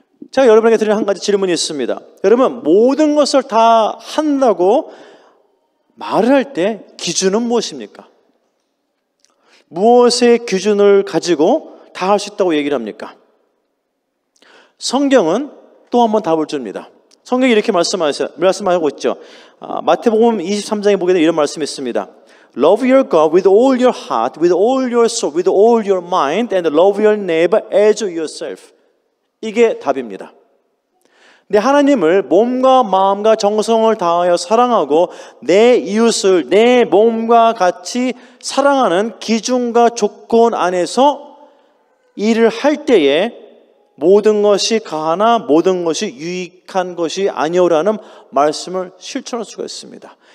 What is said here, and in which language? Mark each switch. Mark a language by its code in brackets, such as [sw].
[ko] 제가 여러분에게 드리는 한 가지 질문이 있습니다. 여러분, 모든 것을 다 한다고 말을 할 때 기준은 무엇입니까? 무엇의 기준을 가지고 다 할 수 있다고 얘기를 합니까? 성경은 또 한번 답을 줍니다. 성경이 이렇게 말씀하고 있죠. 마태복음 23장에 보게 되면 이런 말씀이 있습니다. [en] Love your God with all your heart, with all your soul, with all your mind, and love your neighbor as yourself. [ko] 이게 답입니다. 근데 하나님을 몸과 마음과 정성을 다하여 사랑하고 내 이웃을 내 몸과 같이 사랑하는 기준과 조건 안에서 일을 할 때에 모든 것이 가하나 모든 것이 유익한 것이 아니오라는 말씀을 실천할 수가 있습니다.